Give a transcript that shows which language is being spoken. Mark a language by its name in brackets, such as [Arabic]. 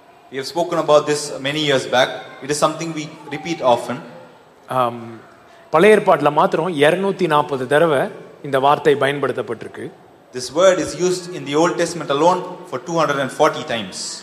[English] We have spoken about this many years back. It is something we repeat often. [Tamil] பழைய ஏற்பாட்டில் மாத்திரம் 240 தடவை இந்த வார்த்தை பயன்படுத்தப்பட்டிருக்கு. [English] This word is used in the Old Testament alone for 240 times.